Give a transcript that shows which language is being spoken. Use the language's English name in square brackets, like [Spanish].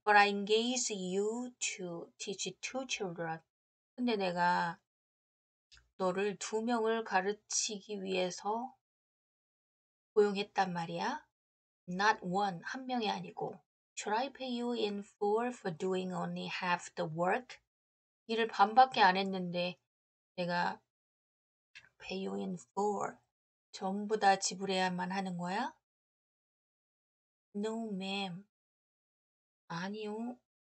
[English] But I engaged you to teach two children. [Korean] 근데 내가 너를 두 명을 가르치기 위해서 고용했단 말이야? [English] Not one, [Korean] 한 명이 아니고. [English] Should I pay you in full for doing only half the work? [Korean] 일을 반밖에 안 했는데 내가 [English] pay you in full, [Korean] 전부 다 지불해야만 하는 거야? [English] No, ma'am. [Korean] 아니요.